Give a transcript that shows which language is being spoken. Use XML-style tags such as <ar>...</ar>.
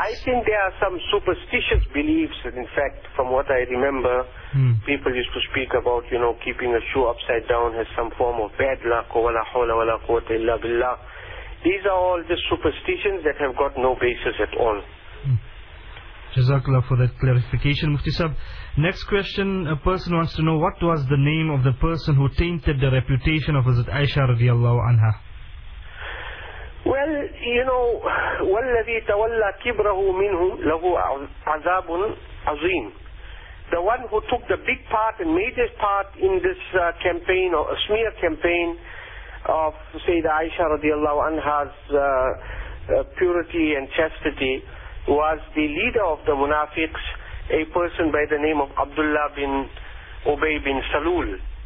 <en>I think there are some superstitious beliefs, in fact, from what I remember, people used to speak about, you know, keeping a shoe upside down has some form of bad luck, or</en> <ar>wala hawla wala quwwata illa billah.</ar> <en>These are all just superstitions that have got no basis at all. Jazakallah for that clarification, Mufti Sahib. Next question, a person wants to know, what was the name of the person who tainted the reputation of Hazrat Aisha radiallahu anha? Well, you know,</en> <ar>وَالَّذِي تَوَلَّى كِبْرَهُ مِنْهُمْ لَهُ عَذَابٌ عَظِيمٌ.</ar> <en>the one who took the big part and major part in this campaign or smear campaign of Sayyida Aisha radiallahu anha's purity and chastity was the leader of the Munafiqs, a person by the name of Abdullah bin Ubay bin Salul.</en>